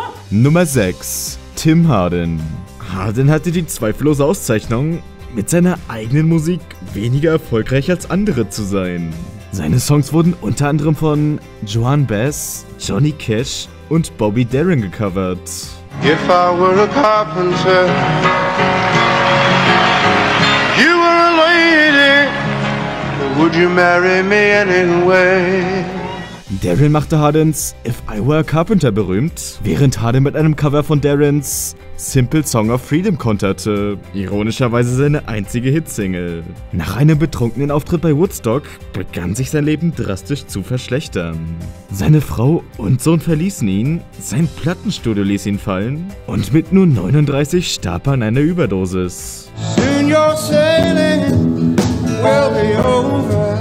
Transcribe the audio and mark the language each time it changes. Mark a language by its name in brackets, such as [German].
[German] Nummer 6. Tim Hardin. Hardin hatte die zweifellose Auszeichnung, mit seiner eigenen Musik weniger erfolgreich als andere zu sein. Seine Songs wurden unter anderem von Joan Baez, Johnny Cash und Bobby Darin gecovert. [English] If I were a carpenter, you were a lady, would you marry me anyway? [German] Darin machte Hardins If I Were a Carpenter berühmt, während Hardin mit einem Cover von Darins Simple Song of Freedom konterte, ironischerweise seine einzige Hitsingle. Nach einem betrunkenen Auftritt bei Woodstock begann sich sein Leben drastisch zu verschlechtern. Seine Frau und Sohn verließen ihn, sein Plattenstudio ließ ihn fallen und mit nur 39 starb er an einer Überdosis. [English] Soon your sailing will be over.